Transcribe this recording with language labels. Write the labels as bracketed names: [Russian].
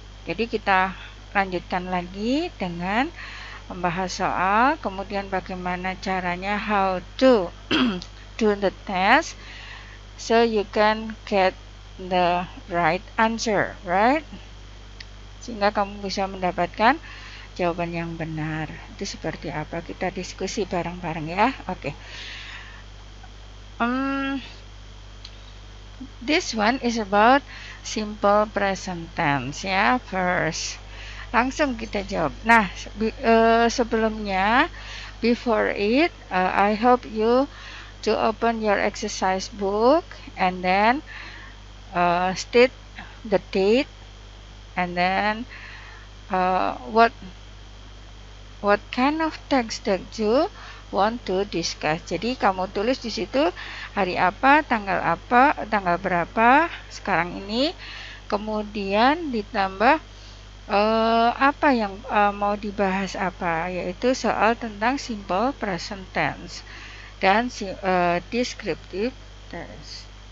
[Indonesian] Jadi kita lanjutkan lagi dengan membahas soal, kemudian bagaimana caranya [English] how to do the test. So you can get the right answer, right? [Indonesian] Sehingga kamu bisa mendapatkan jawaban yang benar. Itu seperti apa? Kita diskusi bareng-bareng ya. Oke. [English] This one is about simple present tense ya. First, [Indonesian] langsung kita jawab. Nah, sebelumnya, [English] before it, I hope you to open your exercise book and then state the date and then what kind of text that you want to discuss. [Indonesian] Jadi kamu tulis di situ hari apa, tanggal berapa sekarang ini, kemudian ditambah apa yang mau dibahas apa, yaitu soal tentang simple present tense dan descriptive tense.